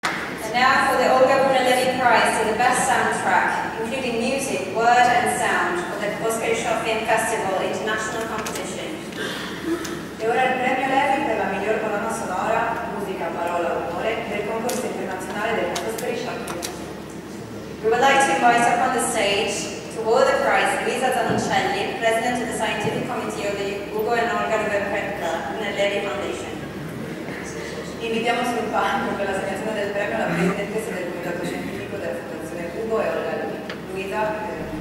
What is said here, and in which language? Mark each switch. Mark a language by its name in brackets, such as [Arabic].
[English] And now for the Olga Brunner Levy Prize for the best soundtrack, including music, word and sound, for the Foscari Short Film Festival International Competition. [Italian] E ora il premio Levy per la miglior colonna sonora, musica, parola, rumore, del concorso internazionale del Foscari Short Film. [English] We would like to invite up on the stage to award the prize Luisa Zanoncelli, President of the Scientific Committee of the Ugo and Olga Rivera nel Levy Foundation. [Italian] Invitiamo sul palco per l'assegnazione del premio la presidentessa del comitato scientifico della Fondazione Ugo e Olga Luisa.